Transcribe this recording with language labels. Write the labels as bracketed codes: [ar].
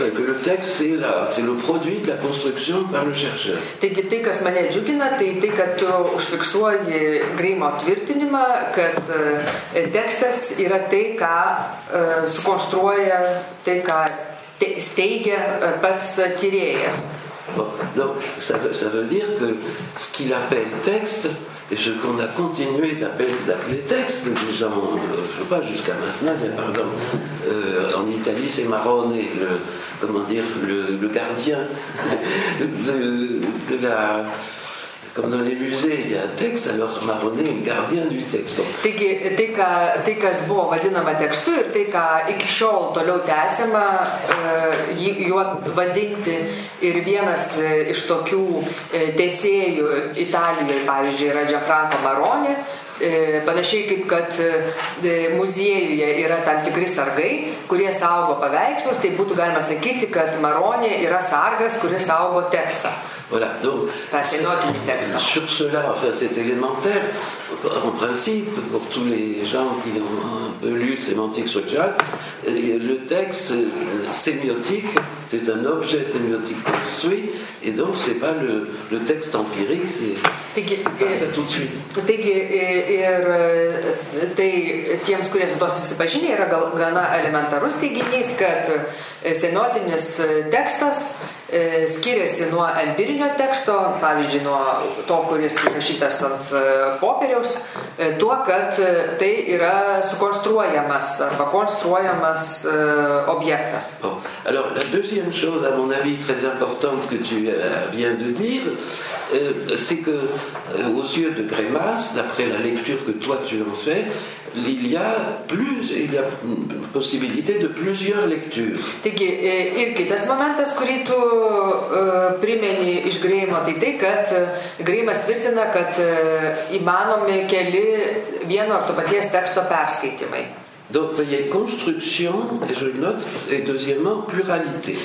[fr] Enfin, que le texte, c'est le produit de la construction par le chercheur. [lt] Taigi, tai, kas mane džiugina, tai tai, kad tu užfiksuoji Grimo tvirtinimą, kad tekstas yra tai, ką sukonstruoja, tai, ką steigia pats tyrėjas. [fr] Bon, donc ça veut dire que ce qu'il appelle texte et ce qu'on a continué d'appeler texte, déjà, je sais pas jusqu'à maintenant, mais pardon, en Italie c'est Marone, le gardien de la comme dans les musées, il y a un texte, alors Maronet est gardien du texte. Bon. [lt] Taigi, tai, kas buvo vadinama tekstu ir tai, ką iki šiol toliau tęsiama, juo vadinti ir vienas iš tokių tesėjų Italijoje, pavyzdžiui, yra Gianfranco Maroni, panašiai kaip kad muziejuje yra tam tikri sargai, kurie saugo paveikslus, tai būtų galima sakyti, kad Maronė yra sargas, kuris saugo tekstą. [fr] Voilà, donc, [lt] tą senotinį tekstą. [fr] Sur cela, enfin, c'est élémentaire, en principe, pour tous les gens qui ont un peu lu de sémantique sociale, le texte sémiotique, c'est un objet sémiotique construit, et donc c'est pas le, le texte empirique, c'est pas ça tout de suite. [lt] Taigi, ir tai tiems, kurie su to susipažinė, yra gana elementarus teiginys, kad senotinis tekstas skiriasi nuo empirinio teksto, pavyzdžiui, nuo to, kuris užrašytas ant popieriaus, tuo, kad tai yra sukonstruojamas arba konstruojamas objektas. [fr] Bon. Alors, la deuxième chose, à mon avis, très importante que tu viens de dire, c'est que aux yeux de Grémas, d'après la lecture que toi tu en fais, il y a plus, il y a possibilité de plusieurs lectures. [lt] Taigi, ir kitas momentas, kurį tu primeni iš Grėjimo, tai tai, kad Grėjimas tvirtina, kad įmanomi keli vieno ar to paties teksto perskaitymai. [fr] Donc il y a construction et je note et deuxièmement pluralité.